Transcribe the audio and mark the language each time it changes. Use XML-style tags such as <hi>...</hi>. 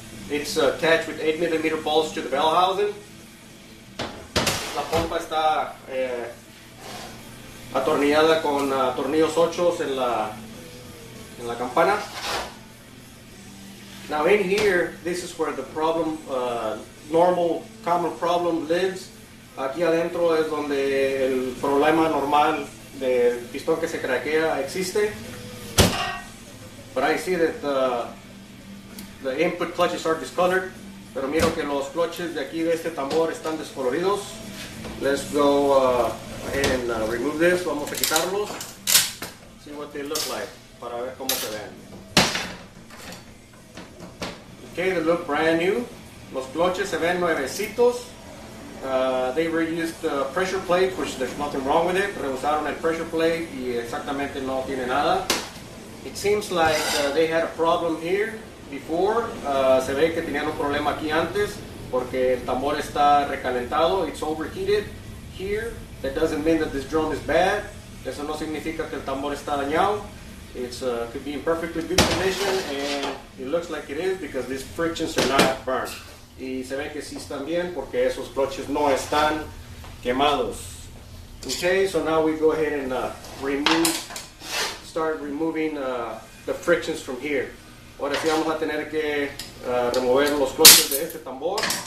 <en>It's attached with 8 millimeter bolts to the bell housing.</en> <es>La pompa está atornillada con tornillos 8 en la campana.</es> <en>Now in here, this is where the problem, normal common problem lives.</en> <es>Aquí adentro es donde el problema normal del pistón que se craquea existe.</es> <en>But I see that the input clutches are discolored.</en> <es>Pero miro que los clutches de aquí de este tambor están descoloridos.</es> <en>Let's go ahead and remove this.</en> <es>Vamos a quitarlos.</es> <en>See what they look like.</en> <es>Para ver cómo se ven.</es> <en>Okay, they look brand new.</en> <es>Los clutches se ven nuevecitos.</es> <en>They reused the pressure plate, which there's nothing wrong with it.</en> <es>Reusaron el pressure plate y exactamente no tiene nada.</es> <en>It seems like they had a problem here before.</en> <es>Se ve que tenían un problema aquí antes porque el tambor está recalentado.</es> <en>It's overheated here. That doesn't mean that this drum is bad.</en> <es>Eso no significa que el tambor está dañado.</es> <en>It could be in perfectly good condition, and it looks like it is because these frictions are not burnt.</en> <es>Y se ve que sí están bien porque esos clutches no están quemados.</es> <en>Okay, so now we go ahead and start removing the frictions from here.</en> <es>Ahora sí vamos a tener que remover los clutches de este tambor.</es>